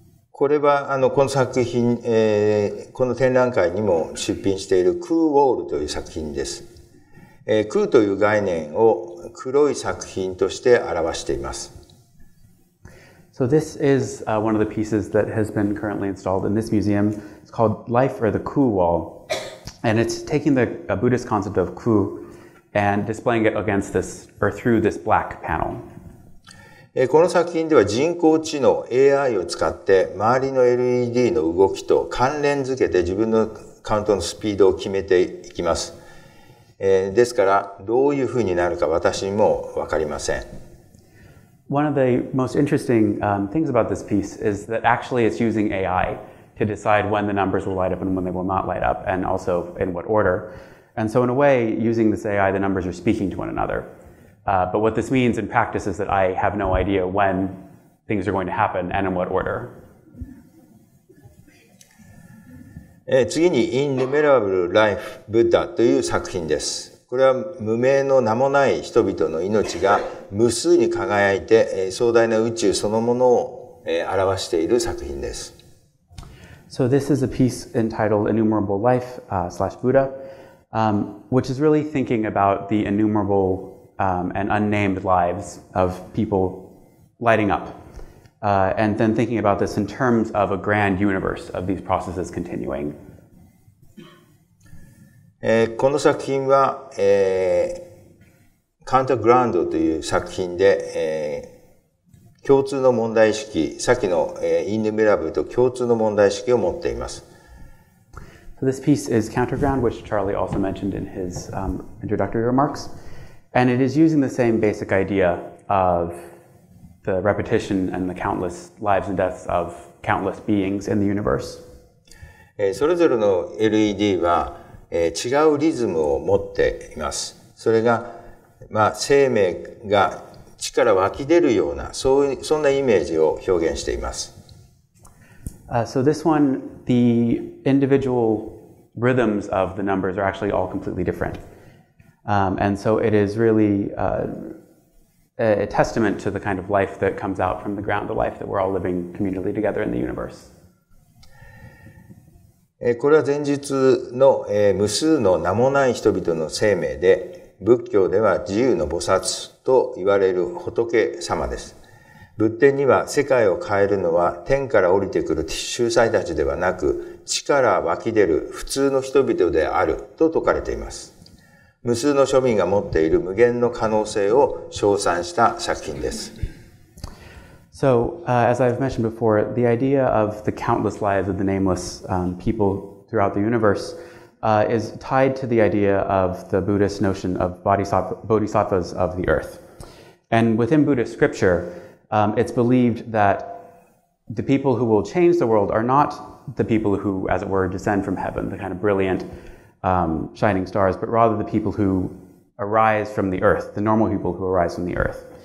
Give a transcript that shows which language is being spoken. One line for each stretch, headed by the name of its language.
Japanese: これはあの、この作品、この展覧会にも出品している空ウォールという作品です。空という概念を黒い作品として表しています。
English: So this is one of the pieces that has been currently installed in this museum. It's called Life or the Ku Wall. And it's taking the Buddhist concept of Ku and displaying it against this, or through this black panel.
Japanese: この作品では人工知能 AI を使って周りの LED の動きと関連付けて自分のカウントのスピードを決めていきます。ですからどういうふうになるか私も分かりません。
English: One of the most interesting things about this piece is that actually it's using AI to decide when the numbers will light up and when they will not light up and also in what order. And so in a way, using this AI, the numbers are speaking to one another. But what this means in practice is that I have no idea when things are going to happen and in what order.
Japanese: 次に Innumerable Life Buddha という作品です。これは無名の名もない人々の命が無数に輝いて壮大な宇宙そのものを表している作品です。
English: So this is a piece entitled Innumerable Life / Buddha, which is really thinking about the innumerableand unnamed lives of people lighting up. And then thinking about this in terms of a grand universe of these processes continuing.
Japanese: この作品は、カウントグラウンドという作品で、共通の問題意識、さっきの、インヌメラブルと共通の問題意識を持っています。
English: So this piece is Counterground, which Charlie also mentioned in his, introductory remarks. And it is using the same basic idea of the repetition and the countless lives and deaths of countless beings in the universe.
Japanese: それぞれの LED は違うリズムを持っています。それが、まあ、生命が地から湧き出るような、そんなイメージを表現しています。
English: So this one, the individual rhythms of the numbers are actually all completely different. And so it is really a testament to the kind of life that comes out from the ground, the life that we're all living communally together in the universe.
Japanese: これは前述の、無数の名もない人々の生命で、仏教では自由の菩薩と言われる仏様です。仏典には世界を変えるのは天から降りてくる秀才たちではなく、地から湧き出る普通の人々であると説かれています。無数の庶民が持っている無限の可能性を称賛した作品です。
English: So, as I've mentioned before, the idea of the countless lives of the nameless, people throughout the universe, is tied to the idea of the Buddhist notion of bodhisattvas of the earth. And within Buddhist scripture, it's believed that the people who will change the world are not the people who, as it were, descend from heaven, the kind of brilliant,shining stars, but rather the people who arise from the earth, the normal people who arise from the earth.